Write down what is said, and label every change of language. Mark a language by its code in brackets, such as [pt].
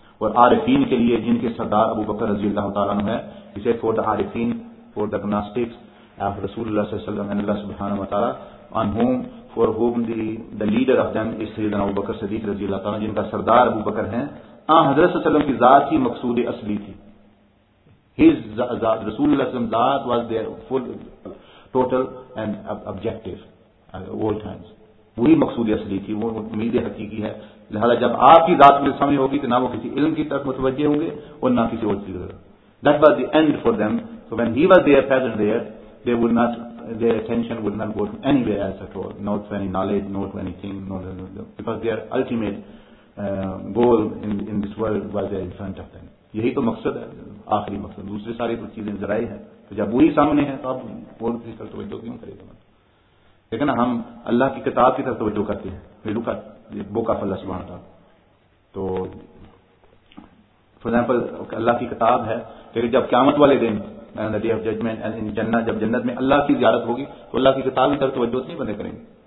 [ur] اور عارفین کے لیے جن کے سردار ابو بکر رضی اللہ تعالیٰ عنہ ہے, اسے [en] for the عارفین for the gnostics of Rasulullah صلی اللہ علیہ وسلم and Allah subhanahu wa ta'ala, on whom, for whom the leader of them is Sayyidina Abu Bakr Siddiq [ur] رضی اللہ تعالیٰ, جن کا سردار ابو بکر ہیں, آن حضرت صلی اللہ علیہ وسلم کی ذات ہی مقصود اصلی تھی, [en] His Rasulullah SAW's zat was their full, total and objective at all times. [ur] وہی مقصود اصلی تھی, وہ امید حقیقی ہے. لہذا جب آپ کی ذات میرے سامنے ہوگی تو نہ وہ کسی علم کی طرف متوجہ ہوں گے اور نہ کسی اور چیز کی طرف. [en] That was the end for them. So when he was there, present there, they would not, their attention would not go anywhere else at all. Not to any knowledge, not to anything, not to anything. Because their ultimate goal in this world was there in front of them. [ur] یہی تو مقصد ہے, آخری مقصد. دوسرے سارے تو چیزیں ذرائع ہیں. تو جب وہی سامنے ہیں تو آپ اور کسی طرف توجہ کیوں کرے گا. لیکن ہم اللہ کی کتاب کی طرف توجہ کرتے ہیں, بوکا فلا سبحان تھا. تو [en] for example [ur] اللہ کی کتاب ہے, لیکن جب قیامت والے دن [en] day of judgment [ur] جنت, جب جنت میں اللہ کی زیارت ہوگی تو اللہ کی کتاب کی طرف توجہ نہیں بندے کریں گے.